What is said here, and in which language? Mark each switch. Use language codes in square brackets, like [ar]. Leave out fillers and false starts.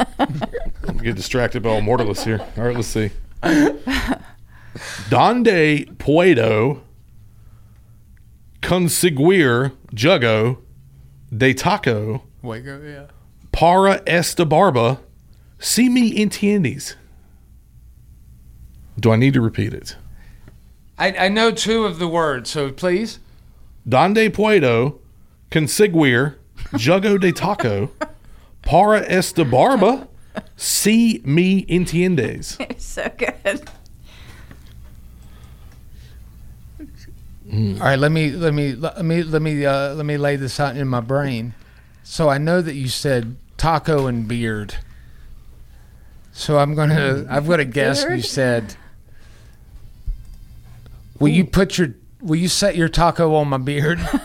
[en] I'm getting distracted by all mortalists here. All right, let's see. [es] Donde puedo conseguir jugo de taco [en] Wago, yeah. [es] Para esta barba si me entiendes? [en] Do I need to repeat it? I know two of the words, so please. [es] Donde puedo conseguir jugo de taco para esta barba si me entiendes? [en] It's so good. All right, let me lay this out in my brain. So I know that you said taco and beard. So I've got to guess beard? You said, will you set your taco on my beard?